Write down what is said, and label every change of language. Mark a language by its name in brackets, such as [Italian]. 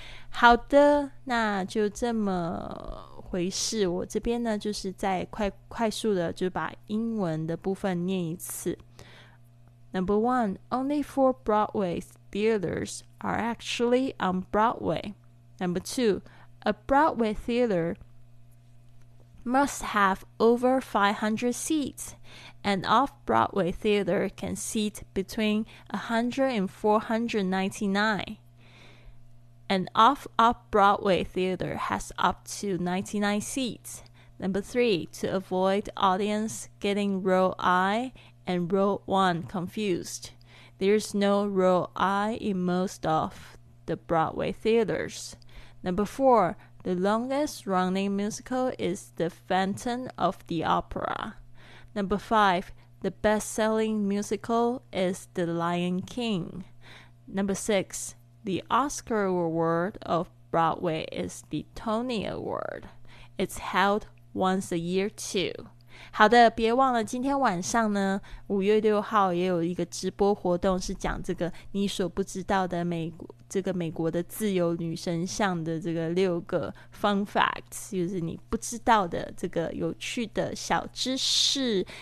[Chinese] 好的，那就这么回事，我这边呢就是再快速的就把英文的部分念一次。 [English] Number one, only 4 Broadway theaters are actually on Broadway. Number two, a Broadway theater must have over 500 seats. An off-Broadway theater can seat between 100 and 499. An off-Broadway theater has up to 99 seats. Number three, to avoid audience getting row I and row 1 confused. There's no row I in most of the Broadway theaters. Number 4, the longest running musical is The Phantom of the Opera. Number 5, the best-selling musical is The Lion King. Number 6, the Oscar Award of Broadway is the Tony Award. It's held once a year too。 [Chinese] 好的，别忘了今天晚上呢，五月六号也有一个直播活动，是讲这个你所不知道的美国的自由女神像的这个六个 fun facts， 就是你不知道的这个有趣的小知识。